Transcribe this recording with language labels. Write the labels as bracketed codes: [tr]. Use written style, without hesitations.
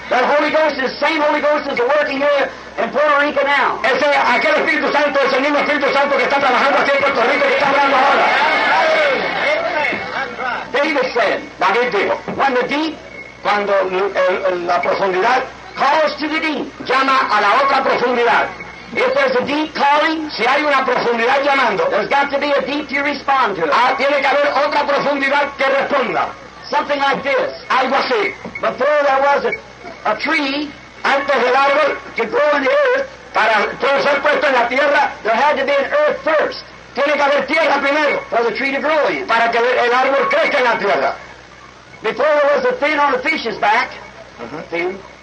[en] The Holy Ghost is the same Holy Ghost that's working here in Puerto Rico now. [es] Ese, aquel Espíritu Santo es el mismo Espíritu Santo que está trabajando aquí en Puerto Rico y que está obrando ahora. [en] David said, [es] David dijo, [en] when the deep, [es] cuando la profundidad, [en] calls to the deep, [es] llama a la otra profundidad. [en] If there's a deep calling, [es] si hay una profundidad llamando, [en] there's got to be a deep to respond to it. [es] Tiene que haber otra profundidad que responda. [en] Something like this. [es] Algo así. [en] Before there was a tree, [es] antes del árbol, [en] to grow in the earth, [es] para ser puesto en la tierra, [en] there had to be an earth first. [es] Tiene que haber tierra primero, [en] for the tree to grow in. [es] Para que el árbol crezca en la tierra. [en] Before there was a fin on a fish's back, fin.